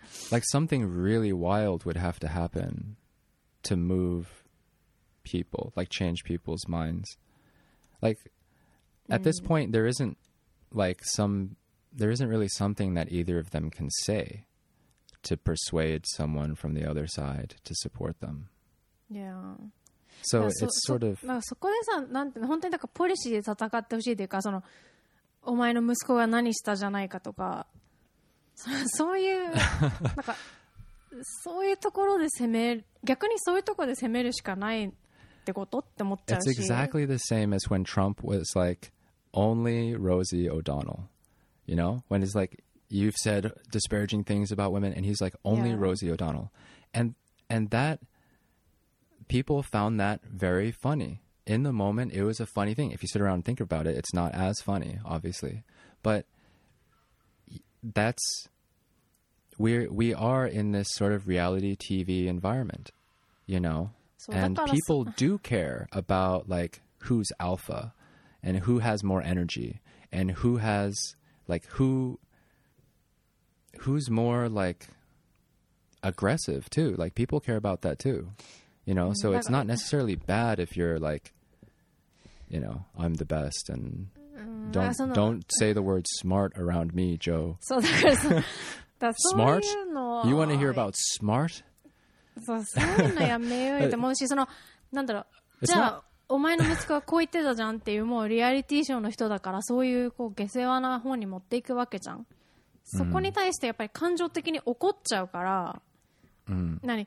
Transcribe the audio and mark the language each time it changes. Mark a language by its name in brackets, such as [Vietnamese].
[English] like, something really wild would have to happen to move people, like, change people's minds. Like, at this point, there isn't really something that either of them can say to persuade someone from the other side to support them. Yeah. So it's sort of... [Japanese] そこでさ、なんて、本当になんかポリシーで戦ってほしいというか、その、お前の息子が何したじゃないかとか、そういう、なんか、そういうところで攻め、逆にそういうところで攻めるしかないってことって思っちゃうし。 [English] It's exactly the same as when Trump was like, only Rosie O'Donnell. You know? When it's like, you've said disparaging things about women, and he's like, only yeah. Rosie O'Donnell. And that, people found that very funny. In the moment, it was a funny thing. If you sit around and think about it, it's not as funny, obviously. But that's... We are in this sort of reality TV environment, you know, and people do care about, like, who's alpha and who has more energy and who has, like, who's more, like, aggressive too. Like, people care about that too, you know, so it's not necessarily bad if you're like, you know, I'm the best and don't say the word smart around me, Joe. So there's... Smart? You want to hear about smart? [Japanese] そういうのやめようって思うし、その、なんだろう、じゃあ、お前の息子はこう言ってたじゃんっていう、もうリアリティショーの人だから、そういう、こう、下世話な方に持っていくわけじゃん。そこに対してやっぱり感情的に怒っちゃうから、何？